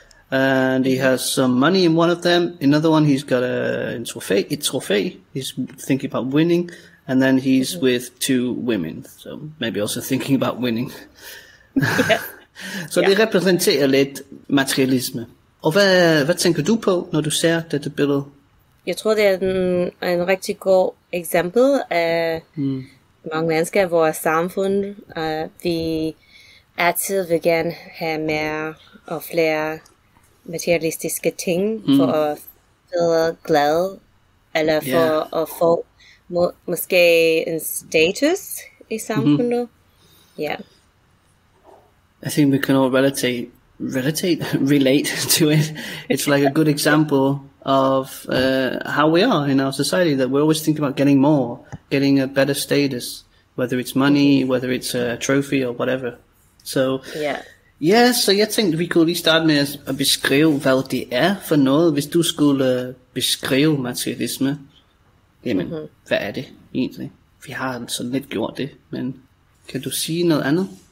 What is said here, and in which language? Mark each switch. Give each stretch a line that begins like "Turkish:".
English: And he has some money in one of them. Another one, he's got a trophy. He's thinking about winning. And then he's with two women, so maybe also thinking about winning.
Danish: Så det repræsenterer lidt materialisme. Og hvad tænker du på, når du ser dette billede? Jeg tror, det er en rigtig god eksempel af mange mennesker i vores samfund. Vi altid vil gerne have mere og flere materialistiske ting for at føle glad, eller for at få måske en status i samfundet.
English: I think we can all relate to it. It's like a good example of how we are in our society, that we're always thinking about getting more, getting a better status, whether it's money, whether it's a trophy or whatever.
Danish: So so jeg tænkte, vi kunne lige starte med at beskrive, hvad det er for noget, hvis du skulle beskrive materialisme. Jamen, hvad er det egentlig? Vi har sådan lidt gjort det, men kan du sige noget andet?